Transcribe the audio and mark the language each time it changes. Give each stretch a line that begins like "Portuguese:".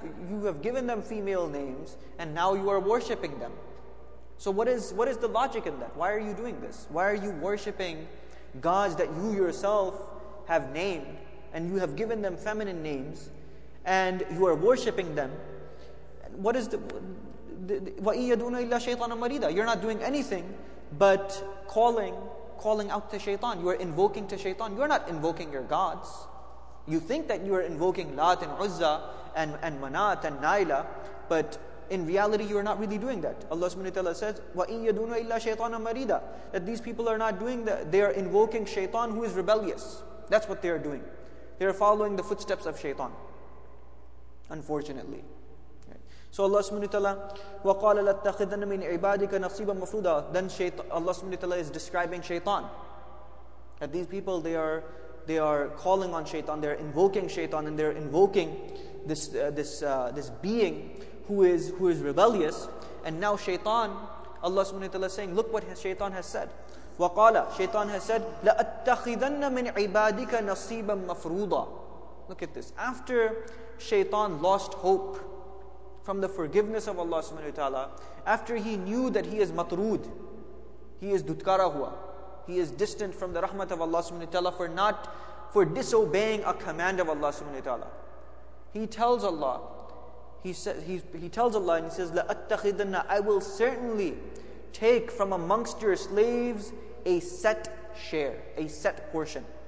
English: You have given them female names and now you are worshipping them. So what is the logic in that? Why are you doing this? Why are you worshipping gods that you yourself have named and you have given them feminine names and you are worshipping them? What is the
Arabic: وَإِيَّدُونَ إِلَّا شَيْطَانًا مَرِيدًا.
English: You're not doing anything but calling out to shaitan. You are invoking to shaitan. You're not invoking your gods. You think that you are invoking Lat and Uzza and Manat and Naila, but in reality you are not really doing that. Allah subhanahu wa ta'ala says
Arabic: وَإِيَّدُونَ إِلَّا شَيْطَانًا مَرِيدًا,
English: that these people are not doing that. They are invoking shaitan who is rebellious. That's what they are doing. They are following the footsteps of shaitan, unfortunately.
Arabic: So Allah subhanahu wa ta'ala, وَقَالَ لَتَّخِذَنَّ مِنْ عِبَادِكَ نَصِيبًا مَفْرُودًا.
English: Then Allah subhanahu wa ta'ala is describing shaitan. That these people, they are calling on shaitan, they're invoking shaitan, and they're invoking this being who is rebellious. And now shaitan, Allah subhanahu wa ta'ala is saying, look what shaitan has said.
Arabic: وَقَالَ,
English: shaitan has said,
Arabic: لَأَتَّخِذَنَّ مِنْ عِبَادِكَ نَصِيبًا مَفْرُودًا.
English: Look at this. After shaitan lost hope from the forgiveness of Allah subhanahu wa ta'ala, after he knew that he is matrood, he is
Urdu: dutkara hua,
English: he is distant from the rahmat of Allah subhanahu wa ta'ala for disobeying a command of Allah subhanahu wa ta'ala, he tells Allah and he says,
Arabic: لَأَتَّخِذَنَّ,
English: I will certainly take from amongst your slaves a set share, a set portion.